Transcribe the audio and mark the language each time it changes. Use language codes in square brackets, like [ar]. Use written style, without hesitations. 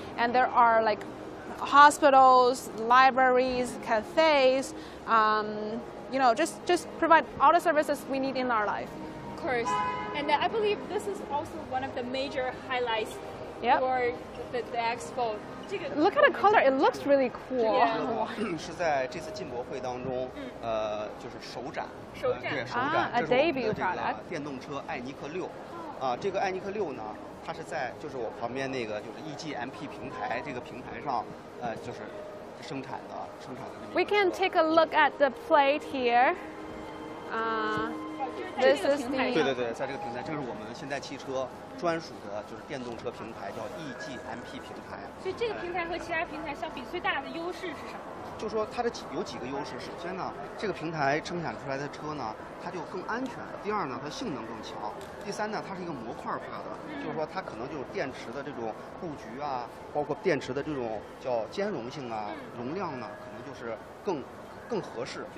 [en] And there are like hospitals, libraries, cafes, you know, just provide all the services we need in our life. Of course. And I believe this is also one of the major highlights for the expo. Look at the color, it looks really cool. [zh] 这个是在这次进博会当中，就是首展。首展，这是我们的这个电动车艾尼克六。这个艾尼克六呢，它是在就是我旁边那个就是 EGMP 平台这个平台上，就是生产的。 [en] We can take a look at the plate here. This is the [zh] 对对对，在这个平台，这是我们现代汽车。专属的就是电动车平台叫 EGMP 平台，所以这个平台和其他平台相比最大的优势是什么？就说它的有几个优势，首先呢，这个平台生产出来的车呢，它就更安全；第二呢，它性能更强；第三呢，它是一个模块化的，就是说它可能就是电池的这种布局啊，包括电池的这种叫兼容性啊，容量呢，可能就是更合适，